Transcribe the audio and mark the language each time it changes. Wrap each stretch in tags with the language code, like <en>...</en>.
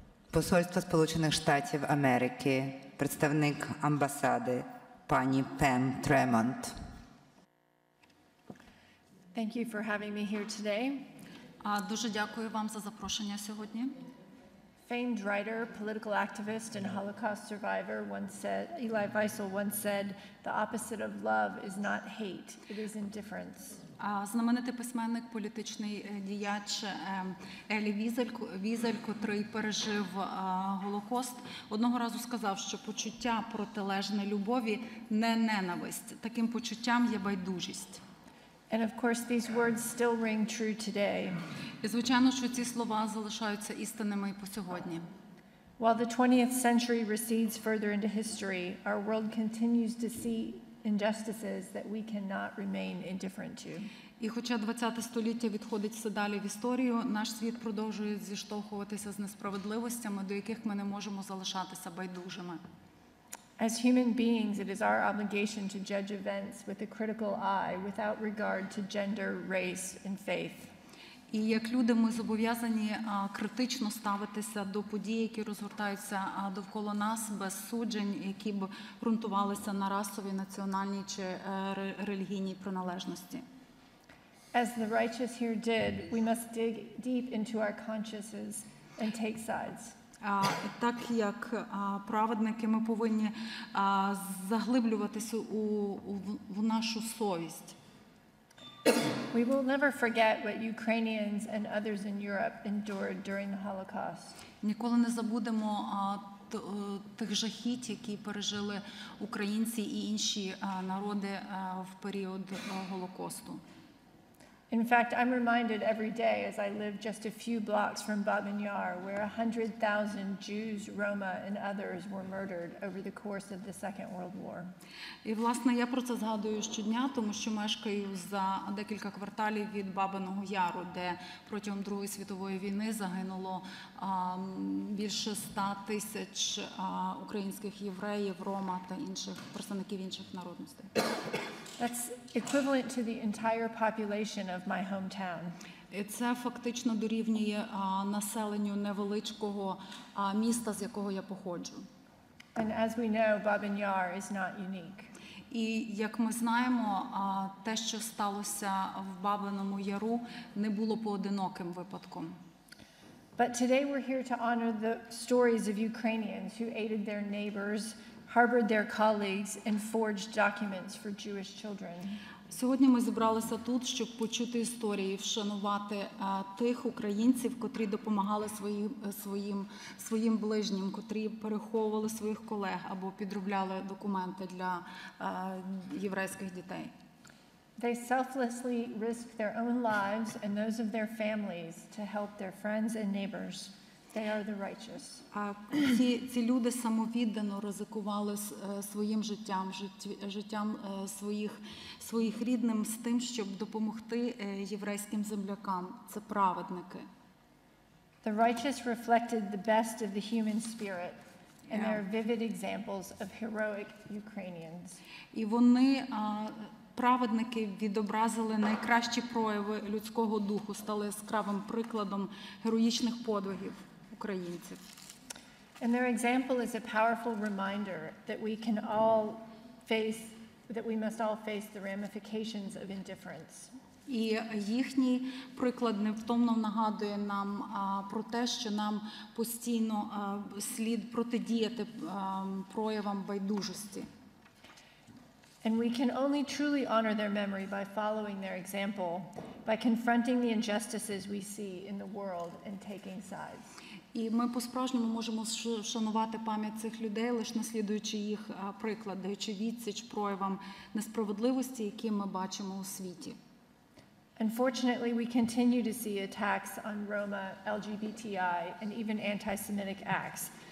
<uk>Посольство Сполучених Штатів Америки, представник амбасади, пані Пем Тремонт.</uk> <en>Thank you for having me here today.</en> <uk>Дуже дякую вам за запрошення сьогодні.</uk> <en>Famed writer, political activist, and Holocaust survivor once said, Eli Weissel once said, the opposite of love is not hate, it is indifference.</en> <uk>Знаменитий письменник, політичний діяч Елі Візель, котрий пережив Голокост, одного разу сказав, що почуття протилежне любові – не ненависть. Таким почуттям є байдужість.</uk> <en>And of course, these words still ring true today.</en> <uk>І, звичайно, що ці слова залишаються істинними і по сьогодні.</uk> <en>While the 20th century recedes further into history, our world continues to see injustices that we cannot remain indifferent to.</en> <uk>І хоча 20-те століття відходить все далі в історію, наш світ продовжує зіштовхуватися з несправедливостями, до яких ми не можемо залишатися байдужими.</uk> <en>As human beings, it is our obligation to judge events with a critical eye, without regard to gender, race, and faith.</en> <uk>І як люди, ми зобов'язані критично ставитися до подій, які розгортаються довкола нас, без суджень, які б ґрунтувалися на расовій, національній чи релігійній приналежності.</uk> <en>As the righteous here did, we must dig deep into our consciences and take sides.</en> <uk>Так як праведники, ми повинні заглиблюватися в нашу совість.</uk> <en>We will never forget what Ukrainians and others in Europe endured during the Holocaust.</en> <uk>Ніколи не забудемо тих жахіть, які пережили українці і інші народи в період Голокосту.</uk> <en>In fact, I'm reminded every day as I live just a few blocks from Babin Yar, where 100,000 Jews, Roma, and others were murdered over the course of the Second World War.</en> <uk>І, власне, я про це згадую щодня, тому що мешкаю за декілька кварталів від Бабиного Яру, де протягом Другої світової війни загинуло більше 100 тисяч українських євреїв, Рома та інших представників інших народностей.</uk> <en>That's equivalent to the entire population of my hometown.</en> <uk>Це фактично дорівнює населенню невеличкого міста, з якого я походжу.</uk> <en>And as we know, Babyn Yar is not unique.</en> <uk>І як ми знаємо, те, що сталося в Бабиному Яру, не було поодиноким випадком.</uk> <en>But today we're here to honor the stories of Ukrainians who aided their neighbors, harbored their colleagues and forged documents for Jewish children.</en> <uk>Сьогодні ми зібралися тут, щоб почути історії, вшанувати тих українців, котрі допомагали своїм ближнім, котрі переховували своїх колег або підробляли документи для єврейських дітей.</uk> <en>They selflessly risk their own lives and those of their families to help their friends and neighbors. They are the righteous.</en> <uk>Ці люди самовіддано ризикували своїм життям, життям своїх рідним з тим, щоб допомогти єврейським землякам. Це праведники.</uk> <en>The righteous reflected the best of the human spirit. And there are vivid examples of heroic Ukrainians.</en> <uk>І вони, праведники, відобразили найкращі прояви людського духу, стали яскравим прикладом героїчних подвигів українців.</uk> <en>And their example is a powerful reminder that we can all face, that we must all face the ramifications of indifference.</en> <uk>І їхній приклад невтомно нагадує нам про те, що нам постійно слід протидіяти проявам байдужості.</uk> <en>And we can only truly honor their memory by following their example, by confronting the injustices we see in the world and taking sides.</en> <uk>І ми по-справжньому можемо вшанувати пам'ять цих людей, лише наслідуючи їх приклад, даючи відсіч проявам несправедливості, які ми бачимо у світі.</uk> <en>Unfortunately, we continue to see attacks on Roma, LGBTI, and even anti-Semitic acts.</en>